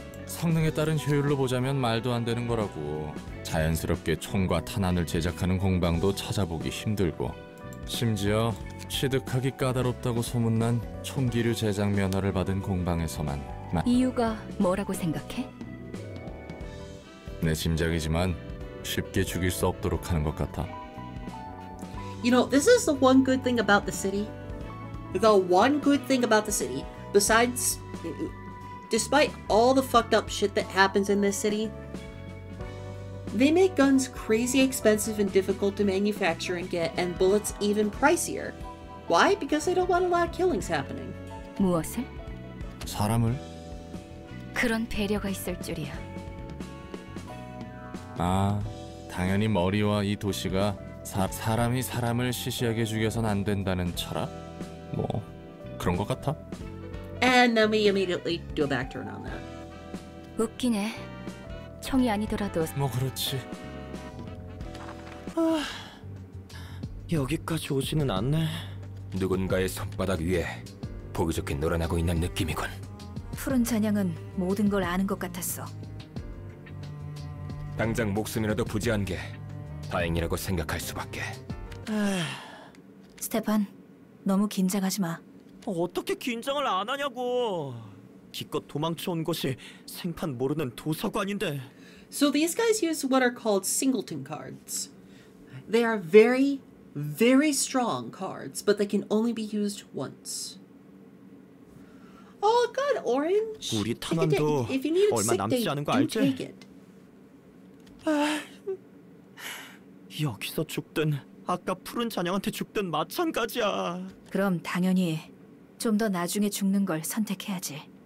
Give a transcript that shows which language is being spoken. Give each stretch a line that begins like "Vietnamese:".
Korean: 성능에 따른 효율로 보자면 말도 안 되는 거라고. 자연스럽게 총과 탄환을 제작하는 공방도 찾아보기 힘들고. 심지어 취득하기 까다롭다고 소문난 총기류 제작 면허를 받은 공방에서만. 이유가 뭐라고 생각해? 내 짐작이지만 쉽게 죽일 수 없도록 하는 것 같아.
English: You know, this is the one good thing about the city. The one good thing about the city, besides, despite all the fucked up shit that happens in this city, they make guns crazy expensive and difficult to manufacture and get, and bullets even pricier. Why? Because they don't want a lot of killings happening.
Korean: 무엇을? 사람을? 그런 배려가 있을 줄이야. 아, 당연히 머리와 이 도시가 사람이 사람을 시시하게 죽여선 안 된다는 철학? 뭐 그런 것 같아.
English: And then we immediately do a back turn on that.
Korean: 웃기네. 총이 아니더라도. 뭐 그렇지. 아, 여기까지 오지는 않네. 누군가의 손바닥 위에 보기 좋게 늘어나고 있는 느낌이군. 푸른 잔향은 모든 걸 아는 것 같았어. 당장 목숨이라도 부지한 게 다행이라고 생각할 수밖에. 스테판, 너무 긴장하지 마. 어떻게 긴장을 안 하냐고. 기껏 도망쳐 온 것이 생판 모르는 도서관인데.
English: So these guys use what are called singleton cards. They are very, very strong cards, but they can only be used once. Oh, God, Orange.
Korean: 우리 탄환도 얼마 남지 않은 거 알지? 여기서 죽든 아까 푸른 잔향한테 죽든 마찬가지야. 그럼 당연히 좀 더 나중에 죽는 걸 선택해야지.